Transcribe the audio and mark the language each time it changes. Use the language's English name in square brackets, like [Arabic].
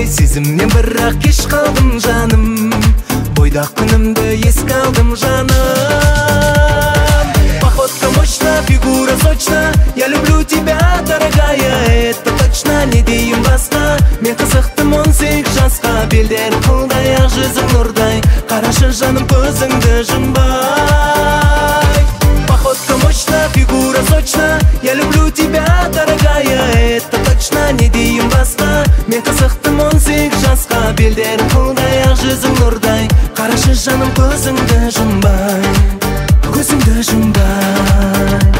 [Kazakh] Өзіңнен бірақ кеш қалдым жаным, бойдақ күнімді еске алдым жаным. [Russian] Походка мощна, фигура сочна, я люблю тебя, дорогая, это точно. [Kazakh] Не дейін басқа, мен қызықтым он сегіз жасқа. Белдері қылдай, ақ жүзің нұрдай, қарашы жаным көзіңді жұмбай. [Russian] Походка мощна, фигура сочна, я люблю тебя, дорогая, это точно. [Kazakh] Не дейін басқа, мен қызықтым он сегіз жасқа. Белдері қылдай, ақ жүзің нұрдай, қарашы жаным көзіңді жұмбай, көзіңді жұмбай.